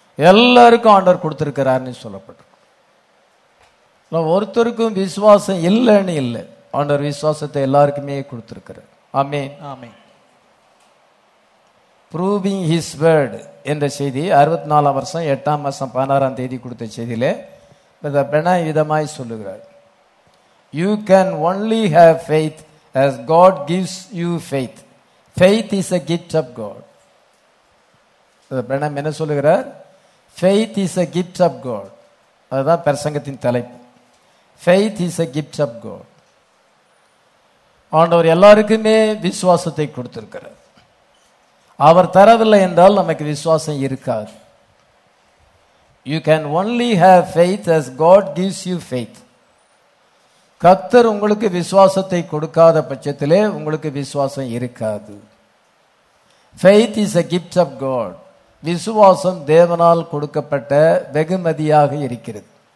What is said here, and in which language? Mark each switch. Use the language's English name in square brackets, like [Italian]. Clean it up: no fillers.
[Tamil] எல்லாருக்கும் ஆண்டவர் கொடுத்திருக்கிறார் சொல்லப்பட்டிருக்கும். ஒருத்தருக்கும் விசுவாசம் இல்லைன்னு இல்லை, ஆண்டவர் விசுவாசத்தை எல்லாருக்குமே கொடுத்திருக்கிறார். ஆமென், ஆமென். Proving His Word என்ற செய்தி 64:8:16 கொடுத்த செய்தியிலே விதமாய் சொல்லுகிறார். [English] You can only have faith as God gives you faith. Faith is a gift of God. [Tamil] என்ன சொல்லுகிறார்? [English] Faith is a gift of God. [Tamil] அதுதான் பிரசங்கத்தின் தலைப்பு. [English] Faith is a gift of God. [Tamil] ஆண்டவர் எல்லாருக்குமே விசுவாசத்தை கொடுத்திருக்கிறார். அவர் தரவில்லை என்றால் நமக்கு விசுவாசம் இருக்காது. [English] You can only have faith as God gives you faith. [Tamil] கர்த்தர் உங்களுக்கு விசுவாசத்தை கொடுக்காத பட்சத்திலே உங்களுக்கு விசுவாசம் இருக்காது. [English] Faith is a gift of God. [Tamil] விசுவாசம் தேவனால் கொடுக்கப்பட்ட வெகுமதியாக இருக்கிறது.